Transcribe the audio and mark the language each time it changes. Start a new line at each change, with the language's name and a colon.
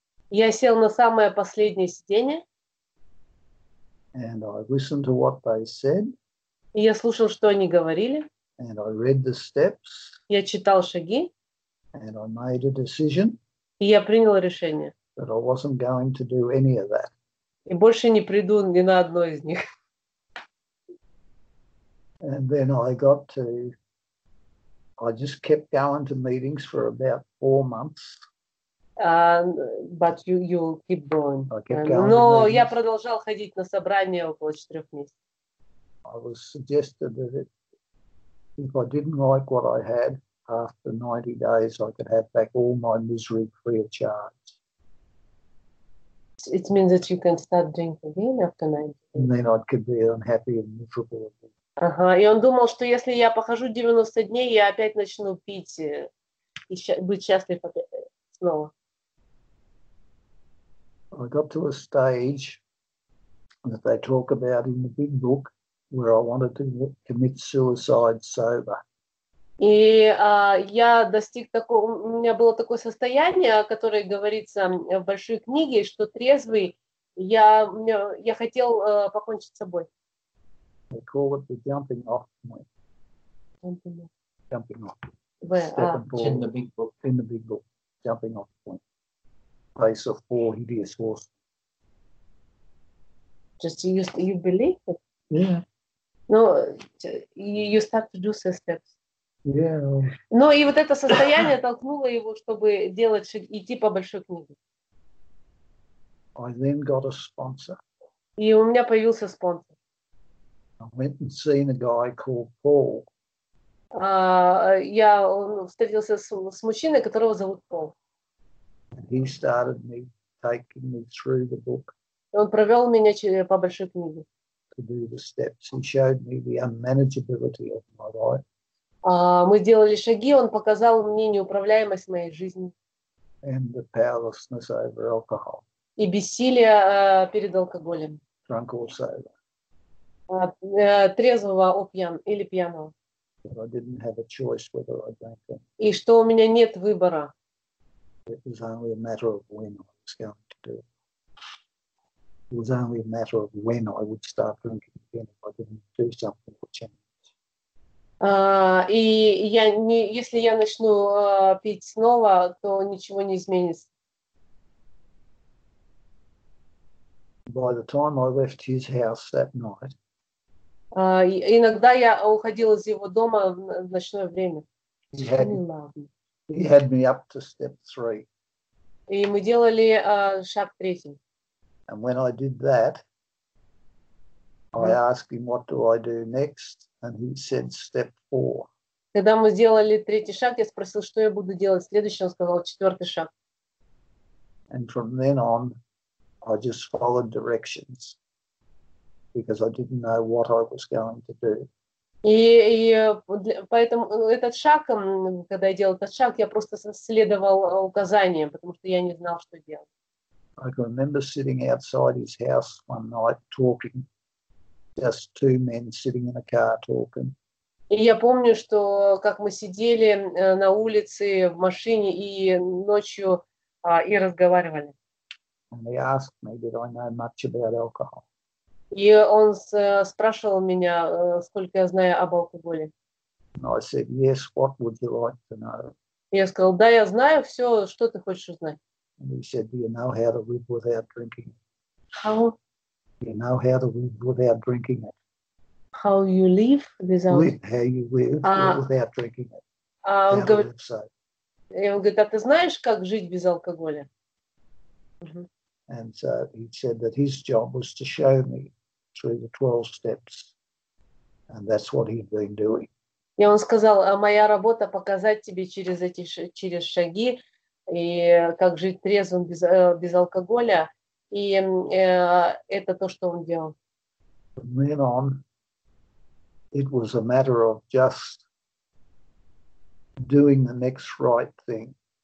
Russian: Я сел на самое последнее сиденье.
English: And I listened to what they said.
Russian: И я слушал, что они говорили.
English: And I read the steps.
Russian: Я читал шаги.
English: And I made a decision.
Russian: И я принял решение.
English: That I wasn't going to do any of that.
Russian: И больше не приду ни на одно из них.
English: And then I just kept going to meetings for about 4 months. But you keep going. I kept going.
Russian: Но я продолжал ходить на собрания около 4 месяцев.
English: I was suggested that if I didn't like what I had after 90 days, I could have back all my misery free of charge. It means that you can start drinking again after 90 days. And then I could be unhappy and miserable again.
Russian: Ага, и он думал, что если я похожу 90 дней, я опять начну пить и быть счастлив снова.
English: I got to a stage that they talk about in the big book. Where I wanted to commit suicide sober.
Russian: И я достиг такого, у меня было такое состояние, о котором говорится в большой книге, что трезвый, я хотел покончить с собой.
English: They call it the jumping off point. Jumping off. In the big book. Jumping off point. Face of four hideous horses. Just you believe it? Yeah. No, you start to do the steps. Yeah.
Russian: Но и вот это состояние толкнуло его, чтобы делать шаги, идти по большой книге.
English: I then got a sponsor.
Russian: И у меня появился спонсор.
English: I went and seen a guy called Paul.
Russian: Он встретился с мужчиной, которого зовут Пол.
English: And he started me taking me through the book.
Russian: И он провел меня по большой книге.
English: To do the steps, he showed me the unmanageability of my life.
Russian: Мы сделали шаги. Он показал мне неуправляемость моей жизни.
English: And the powerlessness over alcohol.
Russian: И бессилие перед алкоголем.
English: Drunk or sober.
Russian: Трезвого или пьяного.
English: But I didn't have a choice whether I drank or not.
Russian: И что у меня нет выбора.
English: It was only a matter of when I was going to do it. It was only a matter of when I would start drinking again if I didn't do something for change.
Russian: Если я начну пить снова, то ничего не изменится.
English: By the time I left his house that night,
Russian: Иногда я уходила из его дома в ночное время. Ну ладно.
English: he had me up to step three.
Russian: И мы делали шаг третий.
English: And when I did that, I asked him, what do I do next? And he said, step four.
Russian: Когда мы сделали третий шаг, я спросил, что я буду делать. Следующий, он сказал, четвертый шаг.
English: And from then on, I just followed directions because I didn't know what I was going to do.
Russian: И поэтому этот шаг, когда я делал этот шаг, я просто следовал указаниям, потому что я не знал, что делать.
English: I can remember sitting outside his house one night talking, just two men sitting in a car talking.
Russian: И я помню, что как мы сидели на улице в машине и ночью и разговаривали.
English: And he asked me, did I know much about alcohol?
Russian: И он спрашивал меня, сколько я знаю об алкоголе.
English: And I said, yes, what would you like to know?
Russian: Я сказал, да, я знаю все, что ты хочешь узнать.
English: And he said, do you know how to live without drinking? How? Do you know how to live without drinking it? How you live without? Live how you live without drinking it.
Russian: Он говорит, а ты знаешь, как жить без алкоголя?
English: And so he said that his job was to show me through the 12 steps, and that's what he'd been doing.
Russian: И он сказал, моя работа показать тебе через эти через шаги и как жить трезвым без алкоголя, и это то, что он делал.
English: From then on, it was a matter of just doing the next right thing.